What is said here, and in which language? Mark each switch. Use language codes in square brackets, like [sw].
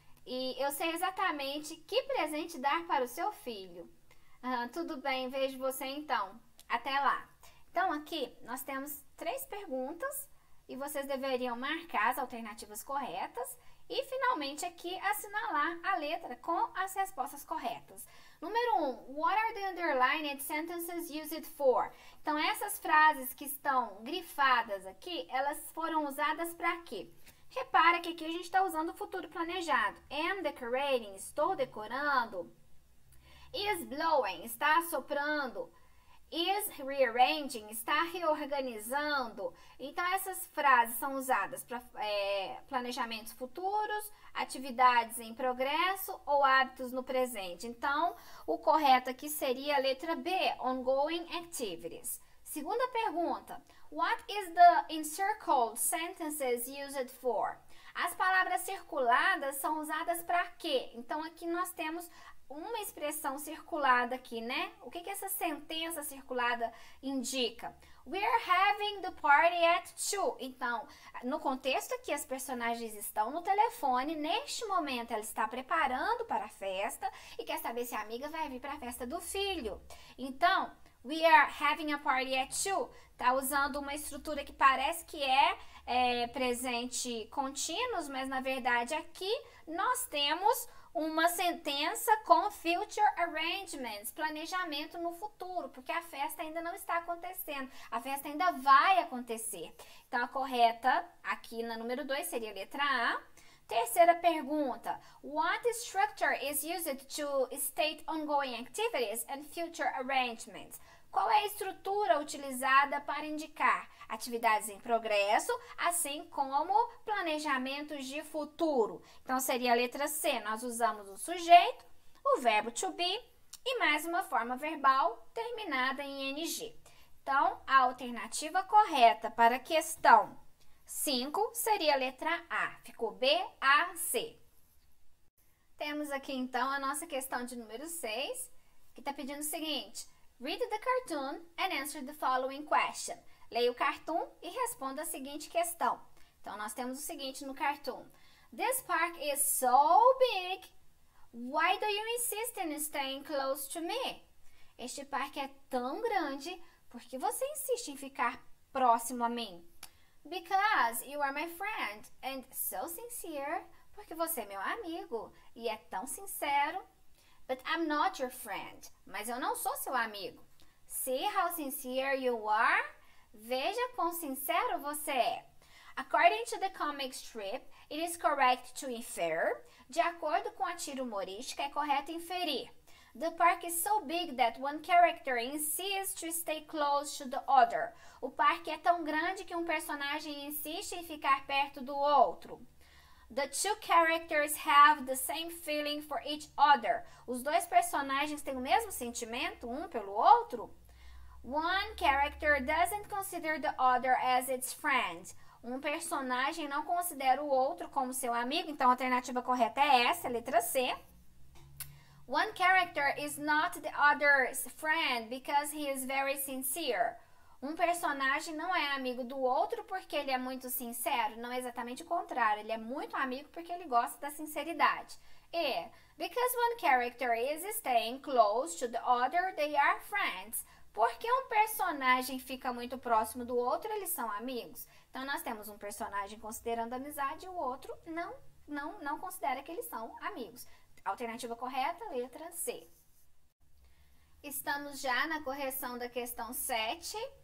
[pt] E eu sei exatamente que presente dar para o seu filho. Tudo bem, vejo você então. Até lá. Então, aqui nós temos três perguntas e vocês deveriam marcar as alternativas corretas e, finalmente, aqui assinalar a letra com as respostas corretas. Número 1, [en] what are the underlined sentences used for? [pt] Então, essas frases que estão grifadas aqui, elas foram usadas para quê? Repara que aqui a gente está usando o futuro planejado. [en] Am decorating, [pt] estou decorando. [en] Is blowing, [pt] está soprando. [en] Is rearranging, [pt] está reorganizando. Então, essas frases são usadas para planejamentos futuros, atividades em progresso ou hábitos no presente. Então, o correto aqui seria a letra B, [en] ongoing activities. [pt] Segunda pergunta, [en] what is the encircled sentences used for? [pt] As palavras circuladas são usadas para quê? Então, aqui nós temos uma expressão circulada aqui, né? O que que essa sentença circulada indica? [en] We're having the party at 2. [pt] Então, no contexto que as personagens estão no telefone, neste momento ela está preparando para a festa e quer saber se a amiga vai vir para a festa do filho. Então, [en] we are having a party at 2. [pt] Tá usando uma estrutura que parece que é presente contínuo, mas na verdade aqui nós temos uma sentença com [en] future arrangements, [pt] planejamento no futuro, porque a festa ainda não está acontecendo, a festa ainda vai acontecer. Então, a correta aqui na número 2 seria a letra A. Terceira pergunta: [en] What structure is used to state ongoing activities and future arrangements? [pt] Qual é a estrutura utilizada para indicar atividades em progresso, assim como planejamentos de futuro? Então, seria a letra C. Nós usamos o sujeito, o verbo to be e mais uma forma verbal terminada em ing. Então, a alternativa correta para a questão 5 seria a letra A. Ficou B, A, C. Temos aqui, então, a nossa questão de número 6, que está pedindo o seguinte. [en] Read the cartoon and answer the following question. [pt] Leia o cartoon e responda a seguinte questão. Então, nós temos o seguinte no cartoon: [en] This park is so big. Why do you insist in staying close to me? [pt] Este parque é tão grande, por que você insiste em ficar próximo a mim? [en] Because you are my friend and so sincere. [pt] Porque você é meu amigo e é tão sincero. [en] But I'm not your friend. [pt] Mas eu não sou seu amigo. [en] See how sincere you are? [pt] Veja quão sincero você é. [en] According to the comic strip, it is correct to infer. [pt] De acordo com a tira humorística, é correto inferir. [en] The park is so big that one character insists to stay close to the other. [pt] O parque é tão grande que um personagem insiste em ficar perto do outro. [en] The two characters have the same feeling for each other. [pt] Os dois personagens têm o mesmo sentimento um pelo outro? [en] One character doesn't consider the other as its friend. [pt] Um personagem não considera o outro como seu amigo. Então, a alternativa correta é essa, a letra C. [en] One character is not the other's friend because he is very sincere. [pt] Um personagem não é amigo do outro porque ele é muito sincero. Não é exatamente o contrário. Ele é muito amigo porque ele gosta da sinceridade. [en] E because one character is staying close to the other, they are friends. [pt] Porque um personagem fica muito próximo do outro, eles são amigos. Então, nós temos um personagem considerando amizade e o outro não considera que eles são amigos. Alternativa correta, letra C. Estamos já na correção da questão 7.